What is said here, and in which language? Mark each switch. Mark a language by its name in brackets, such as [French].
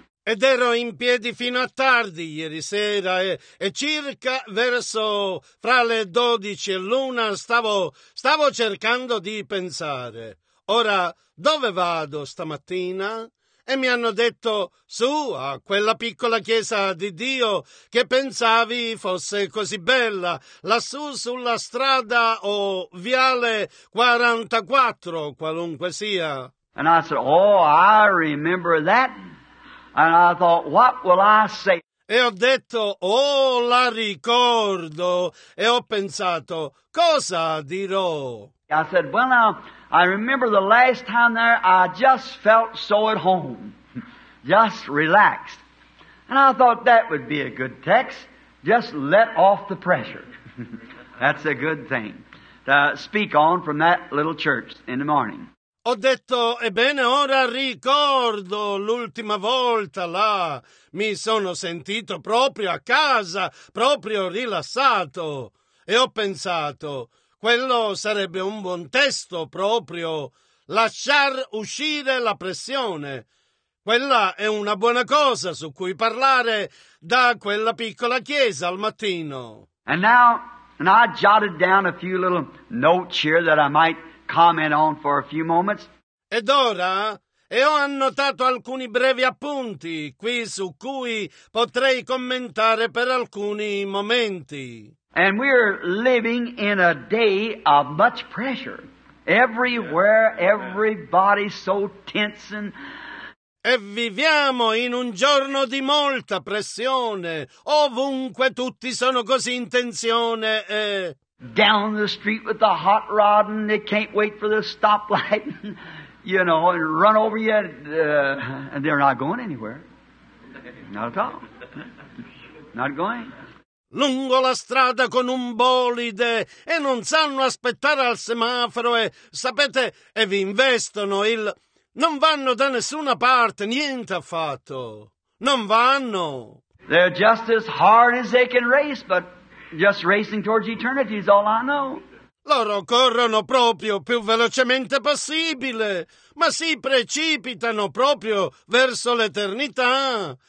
[Italian] Ed ero in piedi fino a tardi ieri sera e circa verso fra le 12 e l'una stavo cercando di pensare. Ora, dove vado stamattina? E mi hanno detto, su, a quella piccola chiesa di Dio che pensavi fosse così bella, lassù sulla strada o viale 44, qualunque sia. [English] And I said, oh, I remember that. And I thought, what will I say? [Italian] E ho detto, oh, la ricordo. E ho pensato, cosa dirò? [English] I said, well, now, I remember the last time there, I just felt so at home, just relaxed. And I thought that would be a good text, just let off the pressure. That's a good thing to speak on from that little church in the morning. [Italian] Ho detto, ebbene, ora ricordo l'ultima volta là. Mi sono sentito proprio a casa, proprio rilassato. E ho pensato, quello sarebbe un buon testo proprio. Lasciar uscire la pressione. Quella è una buona cosa su cui parlare da quella piccola chiesa al mattino. [English] And I jotted down a few little notes here that I might comment on for a few moments. [Italian] Ed ora, e ho annotato alcuni brevi appunti qui su cui potrei commentare per alcuni momenti. [English] And we're living in a day of much pressure. Everywhere, everybody's so tense and... [Italian] E viviamo in un giorno di molta pressione. Ovunque tutti sono così in tensione e... [English] Down the street with the hot rod and they can't wait for the stoplight, you know, and run over you, and they're not going anywhere. Not at all. Not going. [Italian] Lungo la strada con un bolide e non sanno aspettare al semaforo e, sapete, e vi investono il... Non vanno da nessuna parte, niente affatto. Non vanno. [English] They're just as hard as they can race, but just racing towards eternity is all I know. [Italian] Loro corrono proprio più velocemente possibile, ma si precipitano proprio verso l'eternità.